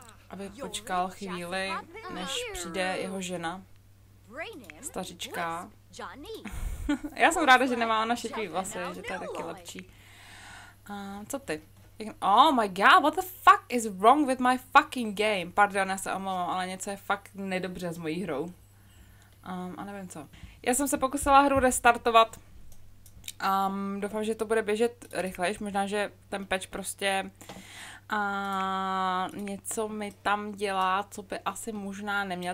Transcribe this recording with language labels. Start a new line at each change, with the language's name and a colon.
Czech: aby počkal chvíli, než přijde jeho žena, stařička. Já jsem ráda, že nemá ona šedivý vlasy, že to je taky lepší. Co ty?
English: Oh my god, what the fuck is wrong with my fucking game?
Czech: Pardon, já se omlouvám, ale něco je fakt nedobře s mojí hrou. A nevím co. Já jsem se pokusila hru restartovat. Doufám, že to bude běžet rychleji, možná, že ten patch prostě... A něco mi tam dělá, co by asi možná neměla.